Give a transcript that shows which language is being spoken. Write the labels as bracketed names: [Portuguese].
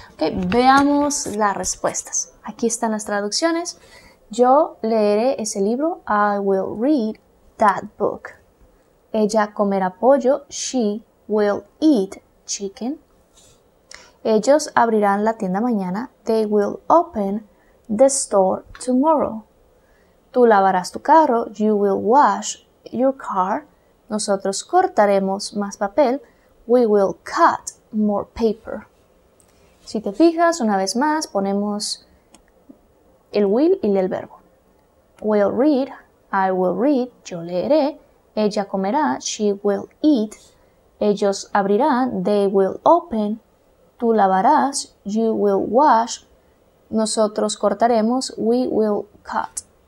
[Spanish] Veamos las respuestas. Aquí están las traducciones. Yo leeré ese libro. [English] I will read that book. [Spanish] Ella comerá pollo. [English] She will eat chicken. [Spanish] Ellos abrirán la tienda mañana. [English] They will open the store tomorrow. [Spanish] Tú lavarás tu carro. [English] You will wash your car. [Spanish] Nosotros cortaremos más papel. [English] We will cut more paper. [Spanish] Si te fijas, una vez más, ponemos el will y el verbo. [English] Will read, I will read, [Spanish] yo leeré, ella comerá, [English] she will eat, [Spanish] ellos abrirán, [English] they will open, [Spanish] tú lavarás, [English] you will wash, [Spanish] nosotros cortaremos, [English] we will cut.